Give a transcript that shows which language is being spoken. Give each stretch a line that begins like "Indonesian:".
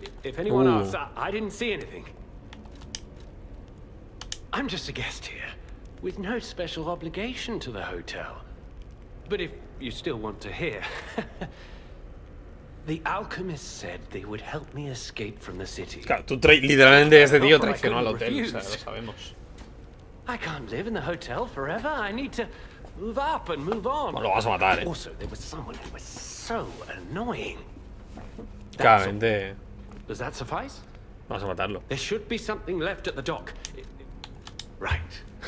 English: If anyone asks, I didn't see anything. I'm just a guest here. With no special obligation to the hotel. But if you still want to hear... The alchemist said they would help me escape from the city.
Spanish: Claro, tú literalmente este tío traicionó al hotel, o sea, lo sabemos.
English: I can't live in the hotel forever. I need to move up and move on.
Spanish: Lo vas a matar, eh.
English: Also, there was someone who was so annoying.
Spanish: Claramente.
English: Does that suffice?
Spanish: Vas a matarlo.
English: There should be something left at the dock. Right.